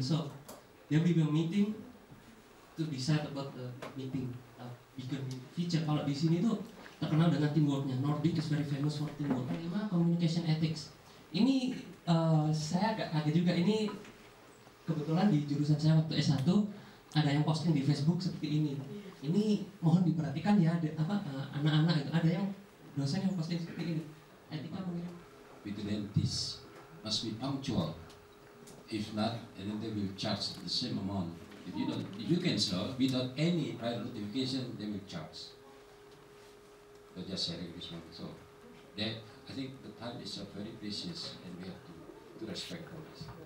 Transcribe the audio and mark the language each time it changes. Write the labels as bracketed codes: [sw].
[en] So there will be a meeting to decide about the meeting, bigger feature. [id] Kalau di sini tuh terkenal dengan teamworknya. [en] Nordic is very famous for teamwork. [id] Kelima, communication ethics. Ini saya agak kaget juga. Ini kebetulan di jurusan saya waktu S1 ada yang posting di Facebook seperti ini. Ini mohon diperhatikan ya, anak-anak itu ada yang dosen yang posting seperti ini. Etika mungkin. [en] Vigilantes must be punctual. If not, then they will charge the same amount. If you don't, if you cancel without any prior notification, they will charge. So just sharing this one. So that, I think the time is very precious and we have to respect all this.